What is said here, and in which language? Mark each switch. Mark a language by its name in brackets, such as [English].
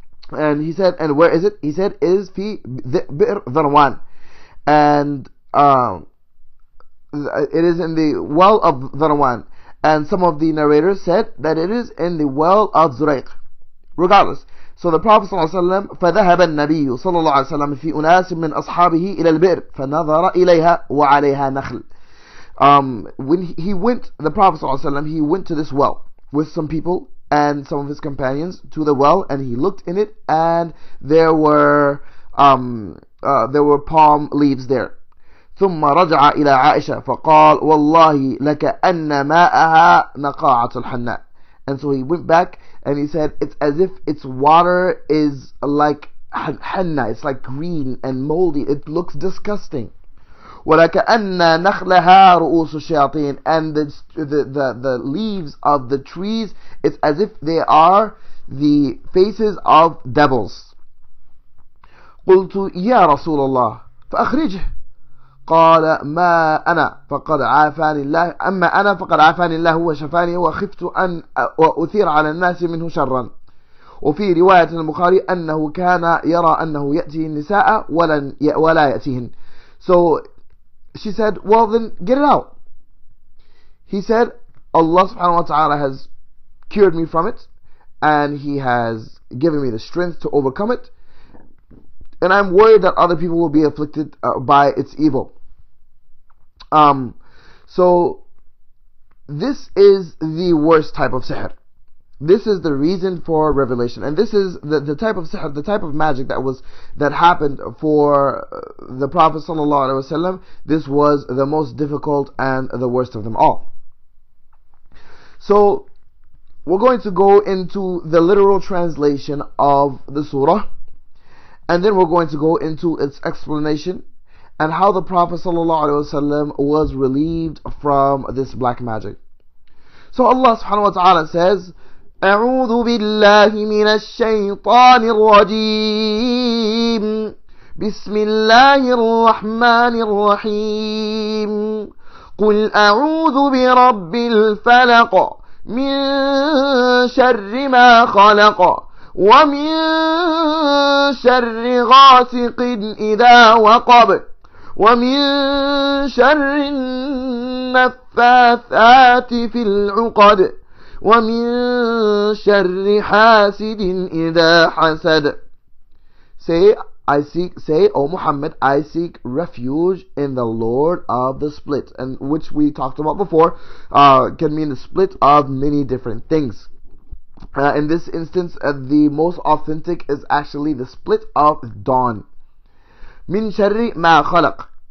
[English] And he said, and where is it? He said it is [Arabic] في بئر ذروان. [English] And it is in the well of ذروان. And some of the narrators said that it is in the well of Zuraiq. Regardless, so the Prophet sallallahu alaihi wasallam, [Arabic] فَذَهَبَ النَّبِيُّ صَلَّى اللَّهُ عَلَيْهِ وَسَلَّمَ فِي أُنَاسٍ مِنْ أَصْحَابِهِ إِلَى الْبِئْرِ فَنَظَرَ إِلَيْهَا وَعَلَيْهَا نَخْلٌ. [English] When he went, the Prophet sallallahu alaihi wasallam, he went to this well with some people and some of his companions to the well, and he looked in it, and there were palm leaves there. [Arabic] ثم رجع إلى عائشة فقال والله لك أن ماءها نقاعة الحناء. [English] And so he went back and he said it's as if its water is like حناء, it's like green and moldy, it looks disgusting. [Arabic] ولك أن نخلها رؤوس الشياطين, [English] and the leaves of the trees, it's as if they are the faces of devils. [Arabic] قلت يا رسول الله فأخرجه. قال ما أنا فقد عافاني الله, أما أنا فقد عافاني الله وشفاني وخفت أن أثير على الناس منه شرا. وفي رواية البخاري أنه كان يرى أنه يأتي النساء ولا يأتيهن. [English] So she said, well then get it out. He said, Allah subhanahu wa ta'ala has cured me from it, and he has given me the strength to overcome it, and I'm worried that other people will be afflicted by its evil. So this is the worst type of sihr. This is the reason for revelation, and this is the type of sihr, the type of magic that happened for the Prophet sallallahu alaihi wasallam. This was the most difficult and the worst of them all. So we're going to go into the literal translation of the surah, and then we're going to go into its explanation and how the Prophet sallallahu alaihi wasallam was relieved from this black magic. So Allah subhanahu wa ta'ala says, [Arabic] أعوذ بالله من الشيطان الرجيم بسم الله الرحمن الرحيم قل أعوذ برب الفلق من شر ما خلق ومن شر غاسق إذا وقب ومن شر النفاثات في العقد ومن شر حاسد إذا حسد. [English] Say, O Muhammad, I seek refuge in the Lord of the split, and which we talked about before can mean the split of many different things. In this instance, the most authentic is actually the split of dawn. [Arabic] من شر ما خلق.